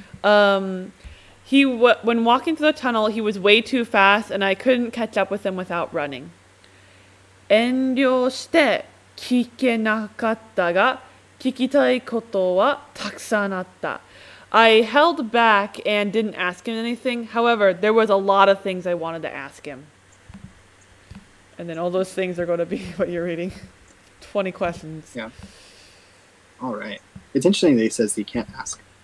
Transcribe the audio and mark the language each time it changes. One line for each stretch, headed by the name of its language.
English: When walking through the tunnel, he was way too fast, and I couldn't catch up with him without running.
Japanese: 遠慮して聞けなかったが、聞きたいことはたくさんあった。
English: I held back and didn't ask him anything. However, there was a lot of things I wanted to ask him. And then all those things are going to be what you're reading. 20 questions. Yeah. All right. It's interesting that he says he can't ask.